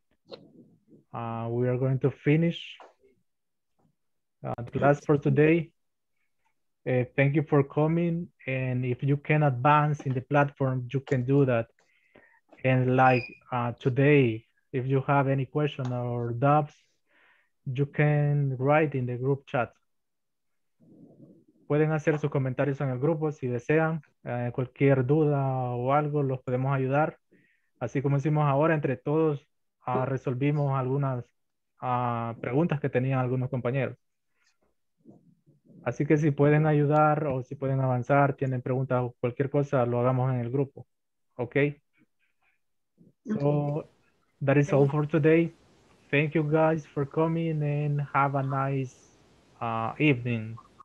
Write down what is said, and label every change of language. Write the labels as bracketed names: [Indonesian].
[English] We are going to finish the class for today. Thank you for coming. And if you can advance in the platform, you can do that. And like today, if you have any question or doubts, you can write in the group chat. [Spanish] Pueden hacer sus comentarios en el grupo si desean. Cualquier duda o algo, los podemos ayudar. Así como hicimos ahora, entre todos resolvimos algunas preguntas que tenían algunos compañeros. Así que si pueden ayudar o si pueden avanzar, tienen preguntas o cualquier cosa, lo hagamos en el grupo. [English] Okay? So that is all for today. Thank you guys for coming and have a nice evening.